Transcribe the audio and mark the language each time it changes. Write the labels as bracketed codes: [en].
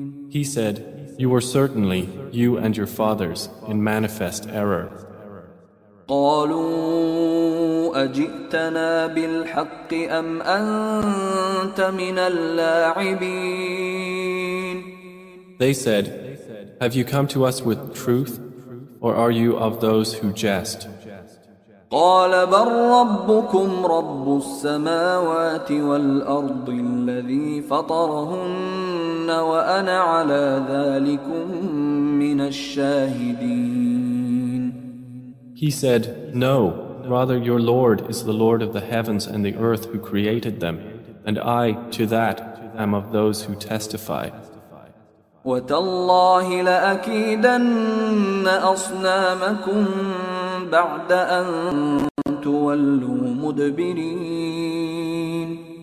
[en] He said, "You were certainly, you and your fathers, in manifest error." [ar] قالوا أجئتنا بالحق أم أنت من اللاعبين. [en] They said, "Have you come to us with truth, or are you of those who jest?" [ar] قال بل ربكم رب السماوات والأرض الذي فطرهن وأنا على ذلك من الشاهدين. [en] He said, "No, rather your Lord is the Lord of the heavens and the earth who created them, and I to that am of those who testify." [ar] وَتَاللَّهِ لَأَكِيدَنَّ أَصْنَامَكُمْ بَعْدَ أَن تُوَلُّوا مُدْبِرِينَ.